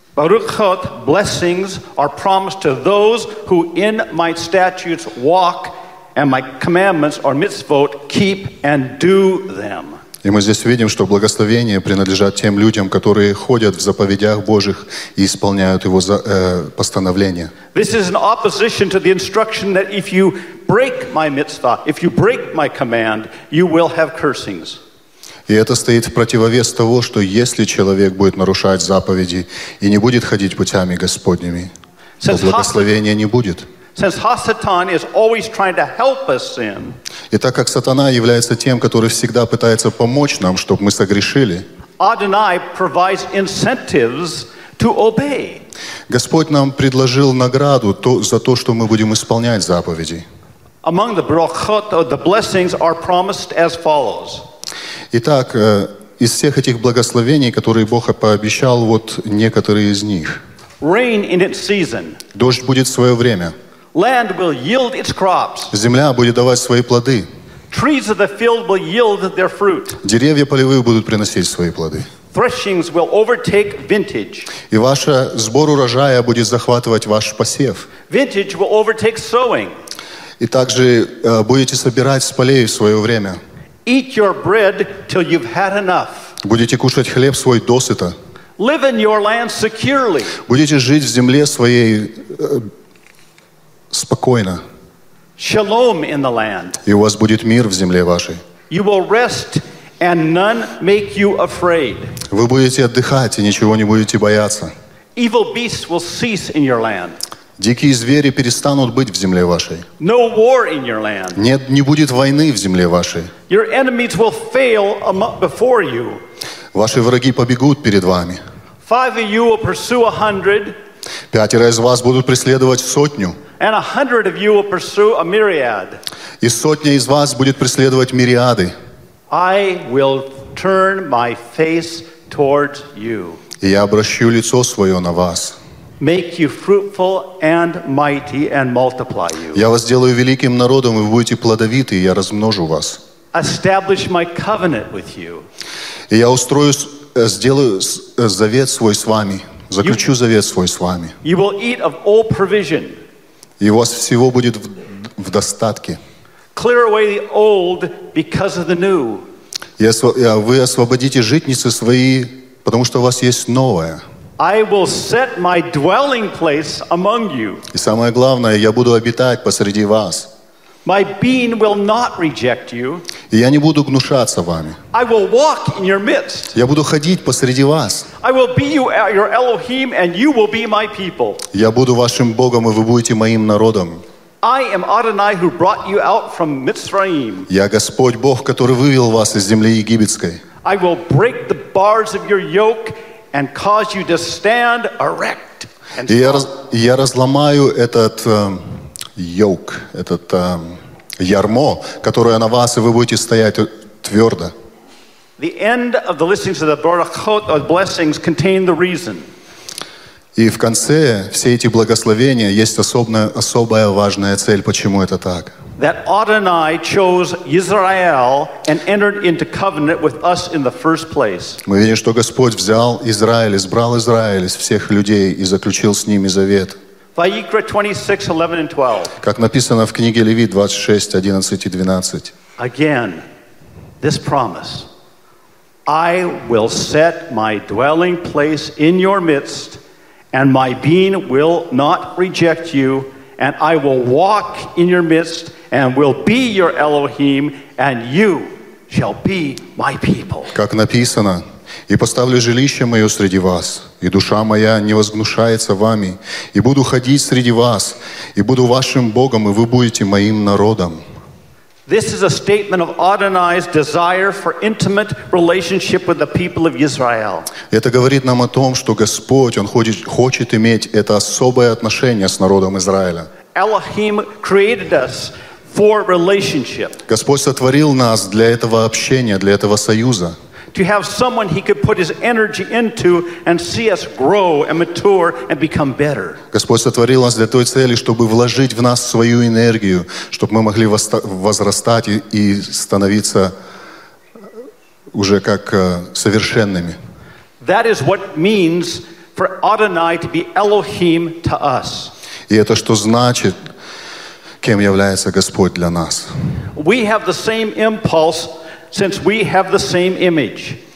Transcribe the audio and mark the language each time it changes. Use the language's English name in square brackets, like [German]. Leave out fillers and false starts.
[English] Baruchot, blessings are promised to those who in my statutes walk and my commandments or mitzvot keep and do them. [Russian] И мы здесь видим, что благословения принадлежат тем людям, которые ходят в заповедях Божьих и исполняют его постановления. [English] This is in opposition to the instruction that if you break my mitzvah, if you break my command, you will have cursings. [Russian] И это стоит в противовес того, что если человек будет нарушать заповеди и не будет ходить путями Господними, то благословения не будет. [English] Since Ha-Satan is always trying to help us sin. [Russian] И так как сатана является тем, который всегда пытается помочь нам, чтобы мы согрешили. [English] Adonai provides incentives to obey. [Russian] Господь нам предложил награду за то, что мы будем исполнять заповеди. [English] Among the brachot, the blessings are promised as follows. [Russian] Итак, из всех этих благословений, которые Бог пообещал, вот некоторые из них. [English] Rain in its season. [Russian] Дождь будет в свое время. [English] Land will yield its crops. [Russian] Земля будет давать свои плоды. [English] Trees of the field will yield their fruit. [Russian] Деревья полевые будут приносить свои плоды. [English] Threshings will overtake vintage. [Russian] И ваш сбор урожая будет захватывать ваш посев. [English] Vintage will overtake sowing. [Russian] И также будете собирать с полей в свое время. [English] Eat your bread till you've had enough. [Russian] Будете кушать хлеб свой досыта. [English] Live in your land securely. [Russian] Будете жить в земле своей спокойно. [English] Shalom in the land. [Russian] И у вас будет мир в земле вашей. [English] You will rest and none make you afraid. [Russian] Вы будете отдыхать и ничего не будете бояться. [English] Evil beasts will cease in your land. [Russian] Дикие звери перестанут быть в земле вашей. [English] No war in your land. [Russian] Нет, не будет войны в земле вашей. [English] Your enemies will fail before you. [Russian] Ваши враги побегут перед вами. [English] Five of you will pursue 100. [Russian] Пятеро из вас будут преследовать сотню. [English] And 100 of you will pursue a myriad. [Russian] И сотня из вас будет преследовать мириады. [English] I will turn my face towards you. [Russian] И я обращу лицо свое на вас. [English] Make you fruitful and mighty and multiply you. [Russian] Я вас сделаю великим народом, и вы будете плодовиты, и я размножу вас. [English] Establish my covenant with you. [Russian] И я устрою, сделаю завет свой с вами, заключу завет свой с вами. [English] You will eat of all provision. [Russian] И у вас всего будет в достатке. [English] Clear away the old because of the new. [Russian] Вы освободите житницы свои, потому что у вас есть новое. [English] I will set my dwelling place among you. [Russian] И самое главное, я буду обитать посреди вас. [English] My being will not reject you. [Russian] И я не буду гнушаться вами. [English] I will walk in your midst. [Russian] Я буду ходить посреди вас. [English] I will be you, your Elohim, and you will be my people. [Russian] Я буду вашим Богом, и вы будете моим народом. [English] I am Adonai who brought you out from Mitzrayim. [Russian] Я Господь Бог, который вывел вас из земли египетской. [English] I will break the bars of your yoke and cause you to stand erect. [Russian] Я разломаю этот йог, этот ярмо, которое на вас, и вы будете стоять твердо. [English] The end of the listings of the brachot or blessings contain the reason. [Russian] И в конце все эти благословения есть особая важная цель, почему это так. [English] That Adonai chose Israel and entered into covenant with us in the first place. [Russian] Мы видим, что Господь взял Израиль, избрал Израиль из всех людей и заключил с ними завет. [English] Vayikra 26:11-12. [Russian] Как написано в книге Левит 26:11-12. [English] Again, this promise: I will set my dwelling place in your midst, and my being will not reject you, and I will walk in your midst. And will be your Elohim, and you shall be my people. [Russian] Как написано, и поставлю жилище мое среди вас, и душа моя не возгнушается вами, и буду ходить среди вас, и буду вашим Богом, и вы будете моим народом. [English] This is a statement of Adonai's desire for intimate relationship with the people of Israel. [Russian] Это говорит нам о том, что Господь, Он хочет иметь это особое отношение с народом Израиля. [English] Elohim created us. For relationship. [Russian] Господь сотворил нас для этого общения, для этого союза. [English] To have someone he could put his energy into and see us grow and mature and become better. [Russian] Господь сотворил нас для той цели, чтобы вложить в нас свою энергию, чтобы мы могли возрастать и становиться уже как совершенными. [English] That is what means for Adonai to be Elohim to us. [Russian] И это что значит? Кем является Господь для нас? [English] We have the same impulse, since we have the same image.